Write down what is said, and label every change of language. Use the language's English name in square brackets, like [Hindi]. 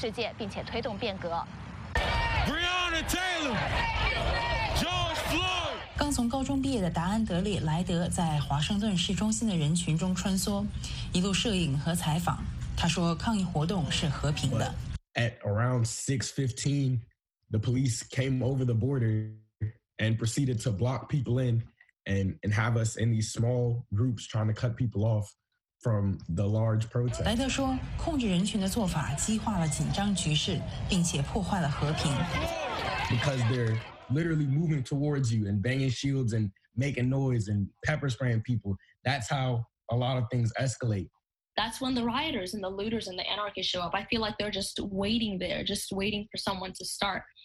[Chinese] 然而，基金目前已经暂时停止接受新的捐赠。他们鼓励想要捐赠的人把钱转寄给乔治·弗洛伊德家族基金以及黑人的命也是命运动。美国之音巴弗拉江华盛顿报道。在明尼苏达州的一名非裔美国人男子的死亡事件之后，美国的许多年轻人都走上街头。他们反对种族歧视，还有警察暴力。他们说他们要唤醒这个世界，并且推动变革。刚从高中毕业的达安德里莱德在华盛顿市中心的人群中穿梭，一路摄影和采访。他说，抗议活动是和平的。 [English] At around 6:15, the police came over the border and proceeded to block people in and have us in these small groups trying to cut people off from the large protest. [Chinese] 莱德说，控制人群的做法激化了紧张局势，并且破坏了和平。 [English] Because they're literally moving towards you and banging shields and making noise and pepper spraying people. That's how a lot of things escalate. That's when the rioters and the looters and the anarchists show up. I feel like they're just waiting there, just waiting for someone to start.